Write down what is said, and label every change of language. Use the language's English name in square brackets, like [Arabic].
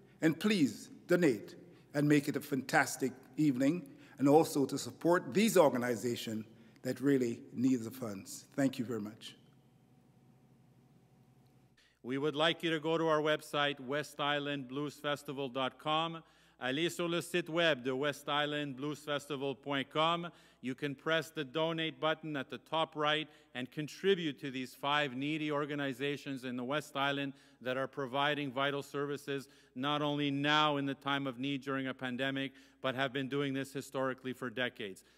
[English] And please donate and make it a fantastic evening, and also to support these organizations that really need the funds. Thank you very much. We would like you to go to our website, westislandbluesfestival.com. [French] Allez sur le site web de westislandbluesfestival.com. [English] You can press the donate button at the top right and contribute to these five needy organizations in the West Island that are providing vital services, not only now in the time of need during a pandemic, but have been doing this historically for decades.